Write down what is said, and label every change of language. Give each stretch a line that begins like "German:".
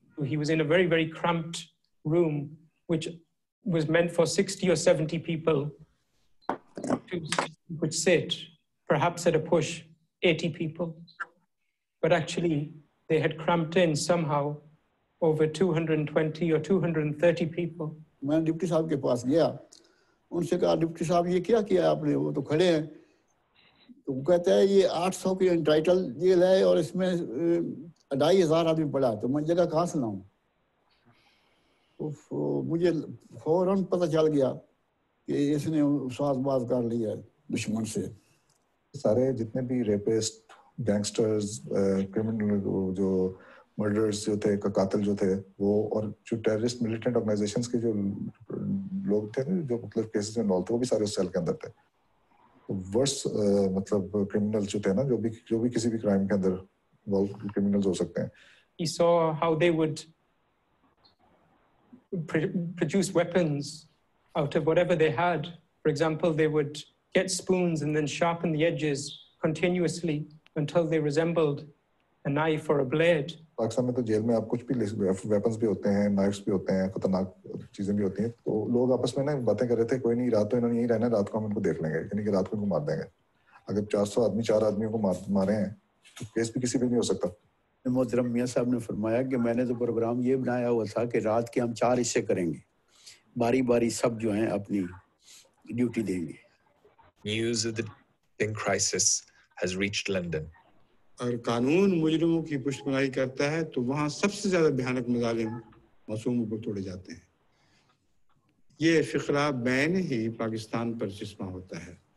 English: He was in a very, very cramped room which was meant for 60 or 70 people. Would sit, perhaps at a push, 80 people. But actually, they had cramped in somehow over 220 or 230 people.
Hindi: मैं deputy साहब के पास गया, उनसे कहा deputy साहब ये क्या किया आपने? वो तो खड़े हैं, तो वो कहते हैं ये 800 की एंटाइटल जेल है और इसमें 2,500 आदमी पड़ा, तो मैं जगह कहाँ से लाऊँ? मुझे फौरन पता चल गया इसने साज-बाज कर लिया दुश्मन से सारे जितने भी रेपिस्ट गैंगस्टर्स क्रिमिनल जो मर्डरर्स जो थे कातिल जो थे वो और जो टेररिस्ट मिलिटेंट ऑर्गेनाइजेशंस के जो लोग थे जो मतलब केसेस में इन्वॉल्व थे वो भी सारे उस सेल के अंदर थे वर्स्ट मतलब क्रिमिनल जो थे ना जो भी किसी भी क्राइम के अंदर इन्वॉल्व क्रिमिनल्स हो सकते हैं
English: He saw how they would produce weapons out of whatever they had. For example, they would get spoons and then sharpen the edges continuously until they resembled a knife or a blade.
Hindi: Pakistan में तो jail में आप कुछ भी weapons भी होते हैं knifes भी होते हैं खतरनाक चीजें भी होती हैं तो लोग आपस में ना बातें कर रहे थे कोई नहीं रात तो इन्होंने यही रहना रात को हम इनको देख लेंगे यानी कि रात को इनको मार देंगे अगर 400 आदमी चार आदमियों को मारे हैं तो केस भी किसी पे नहीं हो सकता मोहतरम मियां साहब ने फरमाया कि मैंने तो प्रोग्राम ये बनाया हुआ था कि रात के हम चार हिस्से करेंगे बारी बारी सब जो हैं अपनी ड्यूटी देंगे
English: News of the Jung crisis has reached London.
Hindi: और कानून मुजरिमों की पुष्तगी करता है तो वहां सबसे ज्यादा भयानक मजालिम मासूमों पर तोड़े जाते हैं ये फिकरा बैन ही पाकिस्तान पर चश्मा होता है